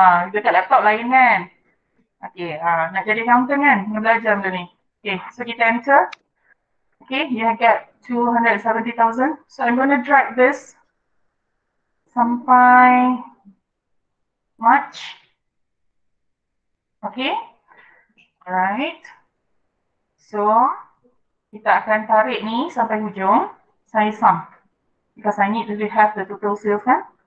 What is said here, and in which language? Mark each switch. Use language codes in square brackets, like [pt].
[ms] Dekat laptop lain kan? Okay, nak jadi counter kan? Belajar benda ni. [en] Okay, so kita enter. Okay, you get 270,000. So I'm going to drag this sampai March. Okay. Alright. [ms] So, kita akan tarik ni sampai hujung. Saya sum. [en] Because I need to have the total sales, kan?